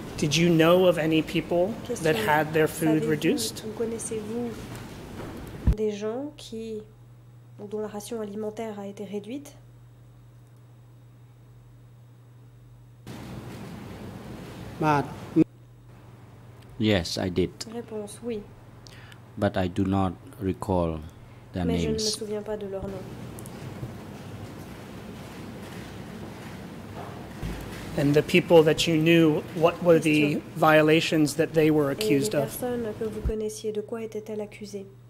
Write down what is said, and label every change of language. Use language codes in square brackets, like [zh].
[en] Did you know of any people that had their food reduced? [fr] Connaissez-vous des gens qui dont la ration alimentaire a été réduite? [en] Yes, I did. [fr] Réponse, oui. [en] But I do not recall their [fr] Mais [en] names. [fr] Je ne me souviens pas de leur nom. [en] And the people that you knew, what were the violations that they were accused [fr] of? Et les personnes que vous connaissiez, de quoi étaient-elles accusées?